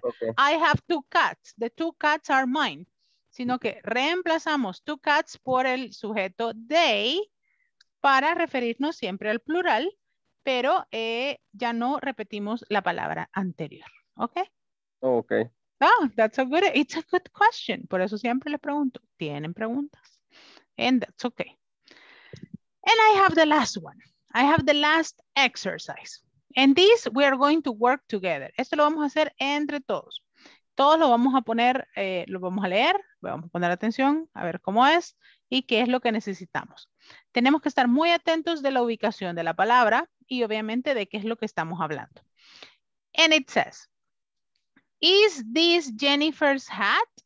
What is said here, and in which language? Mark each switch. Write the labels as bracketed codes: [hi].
[en] okay I have two cats. The two cats are mine. [es] Sino okay que reemplazamos two cats por el sujeto they para referirnos siempre al plural. Pero ya no repetimos la palabra anterior, ¿ok? [en] Ok. Ah, that's a good, it's a good question. [es] Por eso siempre les pregunto, ¿tienen preguntas? [en] And that's okay. And I have the last one. I have the last exercise. And this we are going to work together. [es] Esto lo vamos a hacer entre todos. Todos lo vamos a poner, lo vamos a leer, vamos a poner atención, a ver cómo es y qué es lo que necesitamos. Tenemos que estar muy atentos de la ubicación de la palabra y obviamente de qué es lo que estamos hablando. [en] And it says, is this Jennifer's hat?